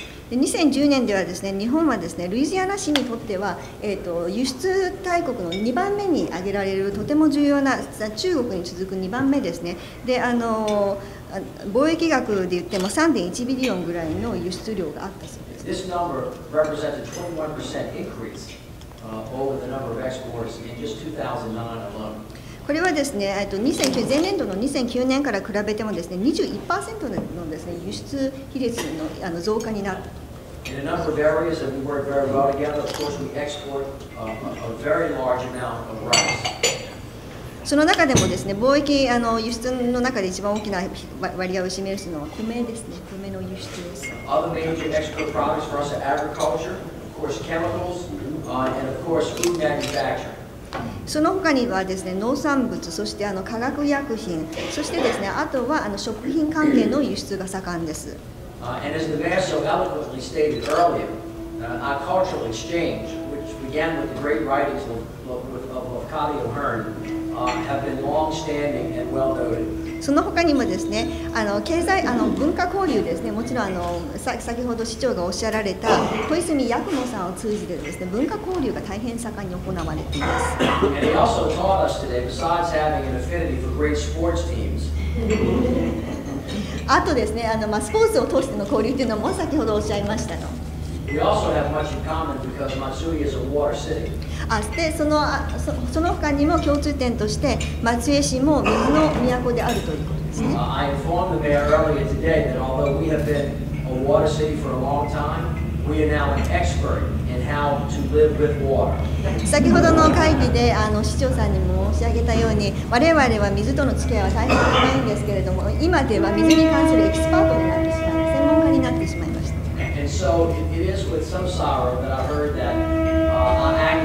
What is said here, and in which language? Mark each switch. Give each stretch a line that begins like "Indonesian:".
Japanese: 2010年ではですね、日本はですね、ルイジアナ市にとっては、輸出大国の2番目に挙げられるとても重要な、中国に続く2番目ですね。で、貿易額で言っても3.1ビリオンぐらいの輸出量があったそうです。
English: This number represents a 21% increase over the number of exports in just 2009 alone.
Japanese: これはですね、2009前年度の2009年から比べてもですね、21% のですね、輸出比率の増加になったと。
English: In a number of areas that we work very well together, of course, we export a very large amount of rice.
Japanese: その中でもですね、貿易輸出の中で一番大きな割合を占めるのは米ですね、米の輸出です。
English: Other major export products for us are agriculture, of course, chemicals, and of course, food manufacturing.
Japanese: その他にはですね、農産物、そして化学薬品、そしてですね、あとは食品関係の輸出が盛んです。
English: And as the mayor so eloquently stated earlier, our cultural exchange, which began with the great writings of Kali O'Hearn, have been long-standing and well-noted.
Japanese: その他にもですね、経済、文化交流ですね、もちろん先ほど市長がおっしゃられた小泉八雲さんを通じてですね、文化交流が大変盛んに行われています。
English: And he also taught us today, besides having an affinity for great sports teams.
Japanese: あとですね、スポーツを通しての交流というのも先ほどおっしゃいましたと。
English: We also have much in common because Matsui is a water city.
Japanese: でその他にも共通点として松江市も水の都であるということですね。
English: I informed the mayor earlier today that although we have been a water city for a long time, we are now an expert in how to live with water.
Japanese: 先ほどの会議で市長さんにも申し上げたように、我々は水との付き合いは大変長いんですけれども、今では水に関するエキスパートになってしまった、専門家になってしまいました。
English: And so it is with some sorrow that I heard that.